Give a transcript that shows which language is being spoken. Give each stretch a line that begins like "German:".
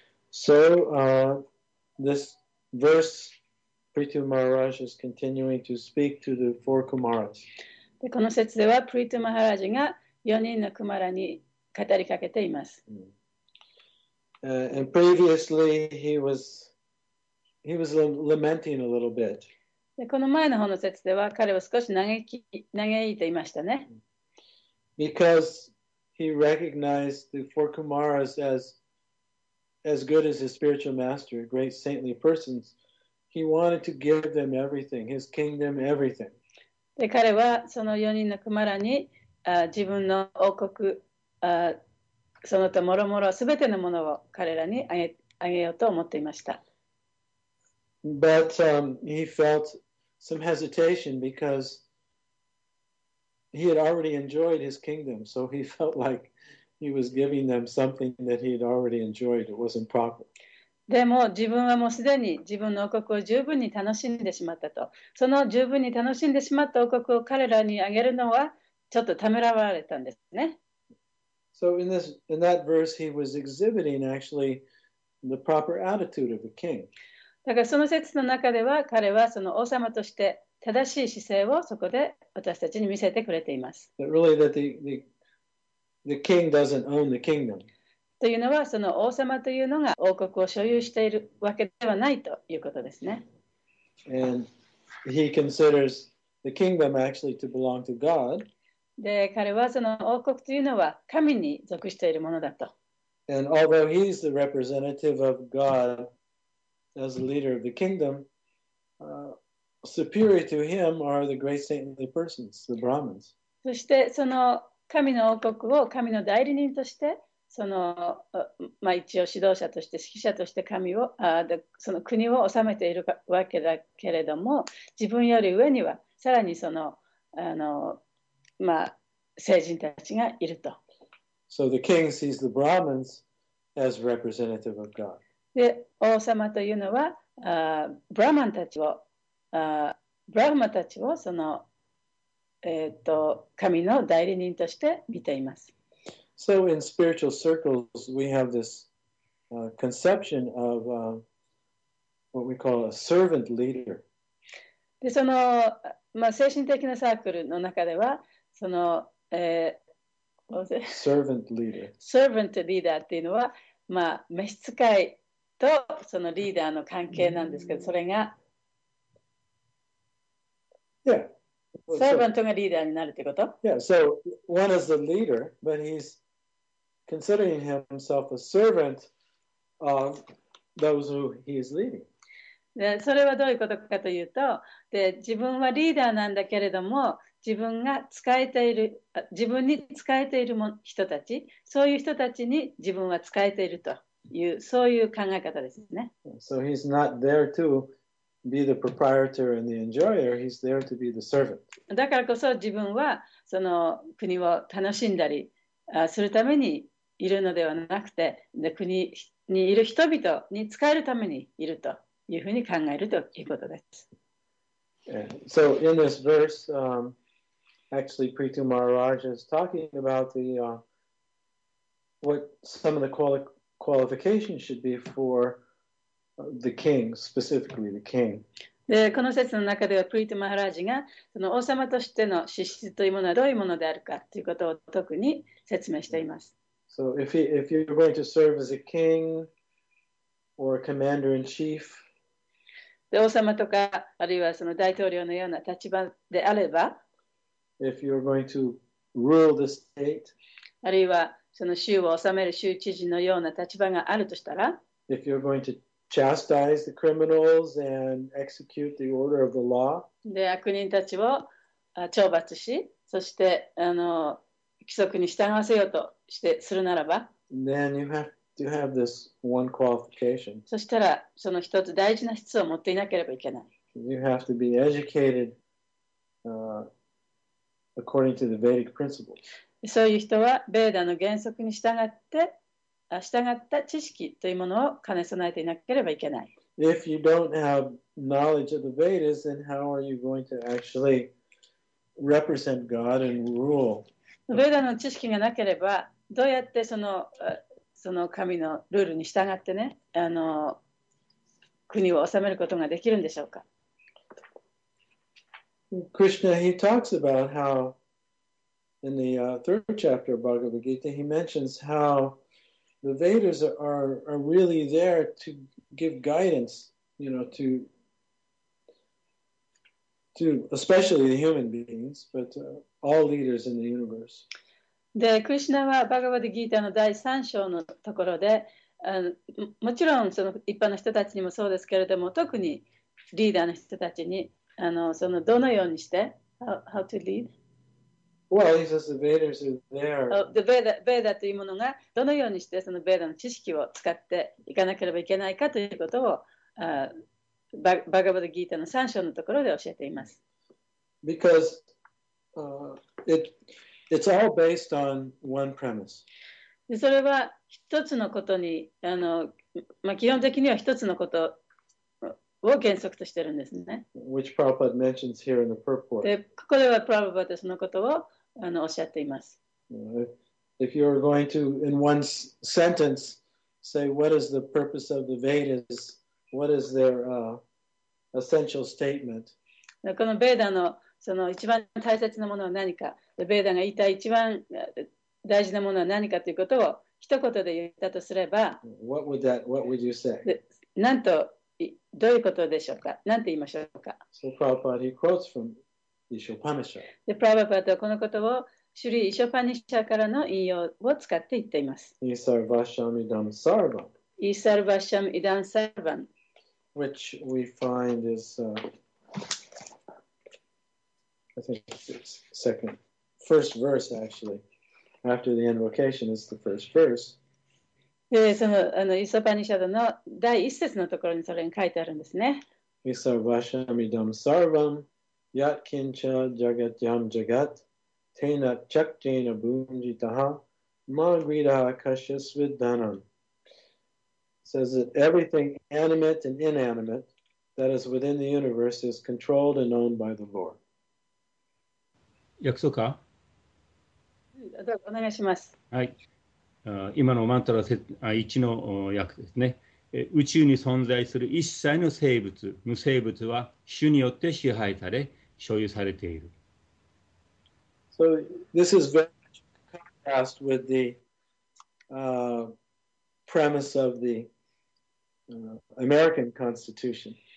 English: So, this verse, Prithu Maharaj is continuing to speak to the four Kumaras.
Japanese: この節では、Prithu Maharaj が4人のクマラに語りかけています。
English: And previously he was lamenting a little bit.
Japanese: この前の方の説では彼は少し嘆いていましたね。
English: Because he recognized the four Kumaras as good as his spiritual master, great saintly persons, he wanted to give them everything, his kingdom, everything.
Japanese: で彼はその4人のクマラに自分の王国、その他もろもろすべてのものを彼らにあげようと思っていました。
English: But, he felt some hesitation because he had already enjoyed his kingdom, so he felt like he was giving them something that he had already enjoyed. It wasn't proper.
Japanese: でも自分はもうすでに自分の王国を十分に楽しんでしまったと。その十分に楽しんでしまった王国を彼らにあげるのはちょっとためらわれたんですね。
English: So in that verse, he was exhibiting actually the proper attitude of a king.
Japanese: だからその説の中では彼はその王様として正しい姿勢をそこで私たちに見せてくれています。
English: That really that the king doesn't own the kingdom.
Japanese: というのはその王様というのが王国を所有しているわけではないということですね。
English: And he considers the kingdom actually to belong to God.
Japanese: で彼はその王国というのは神に属しているものだと。
English: And although he's the representative of God as the leader of the kingdom, superior to him are the great saintly persons, the Brahmins.
Japanese: そしてその神の王国を神の代理人として、その、まあ、一応指導者として、指揮者として神を、その国を治めているわけだけれども、自分より上にはさらにその、まあ、聖人たちがいると。
English: So the king sees the Brahmins as representative of God.
Japanese: で、王様というのは、ブラーマンたちを、ブラーマンたちをその、神の代理人として見ています。
English: So in spiritual circles, we have this conception of what we call a servant leader.
Japanese: で、その、まあ、精神的なサークルの中では、その、
English: servant leader.
Japanese: Servant leader っていうのは、まあ、召使いとそのリーダーの関係なんですけど、それが、
English: yeah.
Japanese: servant がリーダーになるということ。
English: Yeah, so one is the leader, but he's considering himself a servant of those who he is leading.
Japanese: でそれはどういうことかというとで、自分はリーダーなんだけれども、自分が使えている、自分に使えている人たち、そういう人たちに自分は使えているという、そういう考え方ですね。
English: So he's not there to be the proprietor and the enjoyer, he's there to be the servant.
Japanese: だからこそ自分はその国を楽しんだりするためにいるのではなくて、で国にいる人々に使えるためにいると。いうふうに考えるということです。
English: So in this verse, actually Prithu Maharaj is talking about the what some of the qualifications should be for the king, specifically the king.
Japanese: で、この説の中では Prithu Maharaj がその王様としての資質というものはどういうものであるかということを特に説明しています。
English: So if you're going to serve as a king or a commander in chief,
Japanese: で、王様とか、あるいはその大統領のような立場であれば、
English: If you're going to rule the state,
Japanese: あるいはその州を治める州知事のような立場があるとしたら、
English: If you're going to chastise the criminals and execute the order of the law,
Japanese: で、悪人たちを懲罰し、そして規則に従わせようとしてするならば、
English: Then you have to have this one qualification.
Japanese: そしたらその一つ大事な質を持っていなければいけない。
English: You have to be educated, according to the Vedic principles.
Japanese: そういう人はベーダの原則に従った知識というものを兼ね備えていなければいけない。
English: If you don't have knowledge of the Vedas, then how are you going to actually represent God and rule?
Japanese: ベーダの知識がなければどうやってその神のルールに従ってね国を治めることができるんでしょうか。
English: Krishna, he talks about how in the third chapter of Bhagavad Gita, he mentions how the Vedas are really there to give guidance, you know, to especially the human beings, but all leaders in the universe.
Japanese: で、クリシュナはバガヴァッド・ギーターの第3章のところで、もちろんその一般の人たちにもそうですけれども、特にリーダーの人たちに、そのどのようにして、
English: how to lead? Well, he says the Vedas are there.
Japanese: ベーダというものがどのようにしてそのベーダの知識を使っていかなければいけないかということを、バガヴァッド・ギーターの3章のところで教えています。
English: Because it's all based on one premise.
Japanese: で、それは一つのことに、基本的には一つのことを原則としてるんですね。
English: Which Prabhupada mentions here in the purport.
Japanese: で、ここではプラブパダそのことをおっしゃっています。
English: If you're going to, in one sentence, say what is the purpose of the Vedas, what is their essential statement?
Japanese: このベーダのその一番大切なものは何か、ベーダが言いたい一番大事なものは何かということを一言で言ったとすれば、
English: What would you say?
Japanese: なんと、どういうことでしょうか、なんて言いましょうか。
English: So Prabhupada quotes from the Ishopanishad.
Japanese: Prabhupada はこのことをシュリ・イショパニシャからの引用を使って言っています。
Sanskrit: イサルバシャムイダムサルバン。イサルバシャムイダムサルバン。
English: Which we find is, I think it's second, first verse actually, after the invocation is the first verse.
Japanese: イソパニシャドの第一節のところにそれが書いてあるんですね。
Sanskrit: イサバシャミダムサーバム、ヤッキンチャジャガティアムジャガッ、テナチャクティナブンジタハ、マグリダカシャスヴィッダナン。
English: It says that everything animate and inanimate that is within the universe is controlled and owned by the Lord.
Japanese: 訳そうか。どうぞお願いします。はい。今のマントラ1の訳ですね。宇宙に存在する一切の生物、無生物は主によって支配され、所有されている。
English: So this is very much contrast with the premise of the American Constitution.